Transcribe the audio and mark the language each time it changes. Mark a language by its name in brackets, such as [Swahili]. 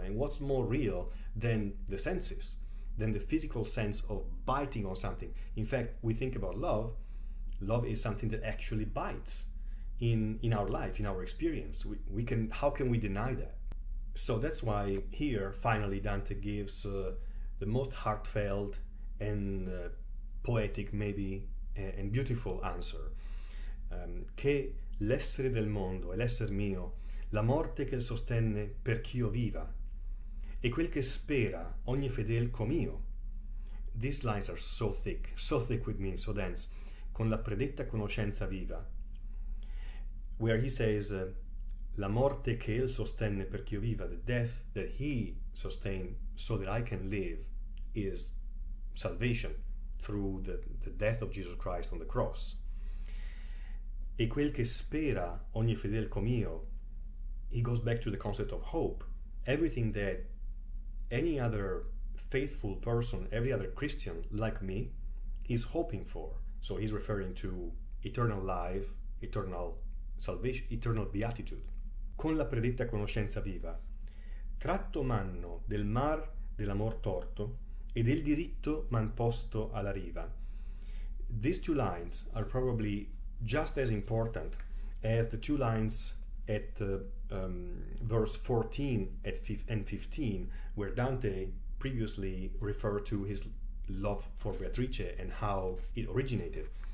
[English] And what's more real than the senses, than the physical sense of biting on something? In fact, we think about love is something that actually bites. in our life, in our experience. How can we deny that? So that's why here, finally, Dante gives the most heartfelt and poetic, maybe, and beautiful answer. [Italian] Che l'essere del mondo e l'essere mio, la morte che sostenne per ch'io viva, e quel che spera ogni fedel com'io. [English] These lines are so thick with meaning, so dense, [Italian] con la predetta conoscenza viva. [English] Where he says, [Italian] la morte che el sostenne per ch'io viva, [English] the death that he sustained so that I can live, is salvation through the death of Jesus Christ on the cross. [Italian] E quel che spera ogni fedel com'io, [English] he goes back to the concept of hope. Everything that any other faithful person, every other Christian like me, is hoping for. So he's referring to eternal life, eternal salvation, eternal beatitude. [Italian] Con la predetta conoscenza viva, tratto m'hanno del mar dell'amor torto e del diritto m'han posto alla riva. [English] These two lines are probably just as important as the two lines at verse 14 and 15, where Dante previously referred to his love for Beatrice and how it originated.